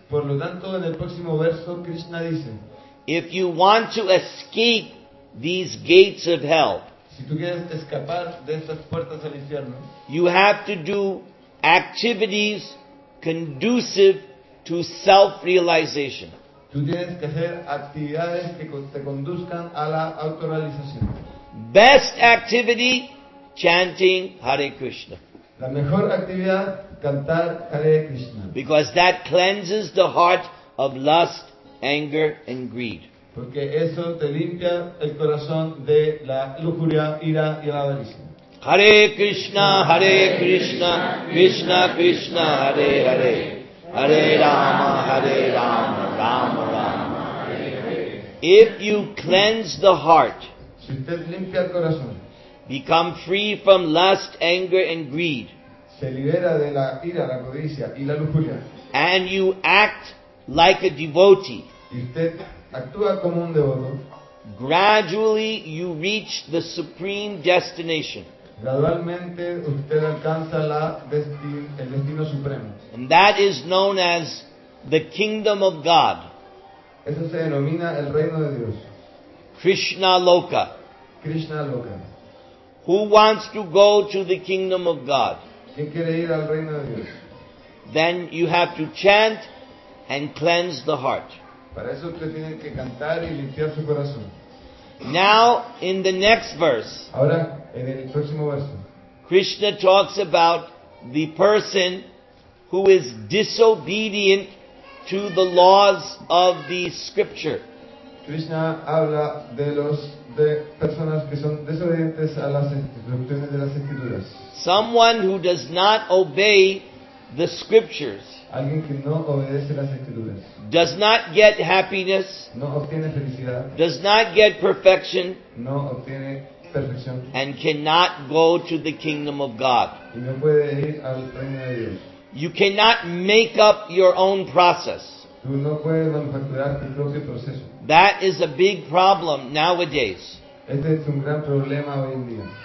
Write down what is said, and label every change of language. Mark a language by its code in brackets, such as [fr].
[es] por lo tanto, en el próximo verso, Krishna dice, [en] if you want to escape these gates of hell, [es] si tú quieres escapar de esas puertas al infierno, [en] you have to do activities conducive to self-realization. [es] Tú tienes que hacer actividades que te conduzcan a la autorrealización. [en] Best activity, chanting Hare Krishna. [es] La mejor actividad, cantar Hare Krishna. [en] Because that cleanses the heart of lust, anger and greed. [es] Porque eso te limpia el corazón de la lujuria, ira y la avaricia. [sa] Hare Krishna, Hare Krishna, Krishna Krishna, Hare Hare. Hare Rama, Hare Rama, Rama Rama, Hare Hare. [en] If you cleanse the heart, [es] si usted limpia el corazón, [en] become free from lust, anger and greed, [es] se libera de la ira, la codicia y la lujuria, [en] and you act like a devotee, [es] y usted actúa como un devoto, [en] gradually you reach the supreme destination. [es] Gradualmente usted alcanza el destino supremo. [en] And that is known as the kingdom of God. [es] Eso se denomina el reino de Dios. [sa] Krishna Loka. Krishna Loka. [en] Who wants to go to the kingdom of God? [es] ¿Quién quiere ir al reino de Dios? [en] Then you have to chant and cleanse the heart. [es] Para eso usted tiene que cantar y limpiar su corazón. [en] Now in the next verse. [es] Ahora, en el próximo verso, [en] Krishna talks about the person who is disobedient to the laws of the scripture. [es] Krishna habla de personas que son desobedientes a las instrucciones de las escrituras. [en] Someone who does not obey the scriptures. [es] Alguien que no obedece las escrituras. [en] Does not get happiness. [es] No obtiene felicidad. [en] Does not get perfection. [es] No obtiene perfección. [en] And cannot go to the kingdom of God. [es] Y no puede ir al reino de Dios. [en] You cannot make up your own process. [es] Tú no puedes manufacturar tu propio proceso. [en] That is a big problem nowadays. [es] Este es un gran problema hoy en día.